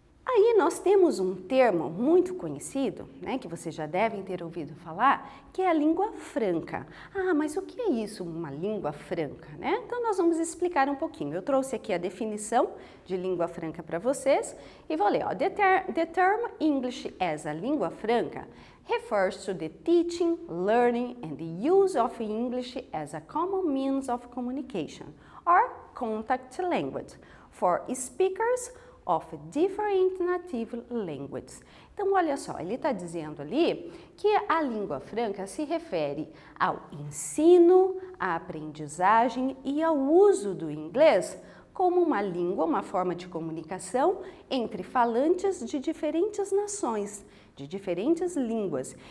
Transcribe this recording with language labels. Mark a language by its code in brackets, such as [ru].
[pt] Aí nós temos um termo muito conhecido, né, que vocês já devem ter ouvido falar, que é a língua franca. Ah, mas o que é isso, uma língua franca, né? Então nós vamos explicar um pouquinho. Eu trouxe aqui a definição de língua franca para vocês e vou ler. Ó. [en] The term English as a língua franca refers to the teaching, learning and the use of English as a common means of communication or contact language for speakers of different native languages. [pt] Então, olha só, ele está dizendo ali que a língua franca se refere ao ensino, à aprendizagem e ao uso do inglês como uma língua, uma forma de comunicação entre falantes de diferentes nações, de diferentes línguas.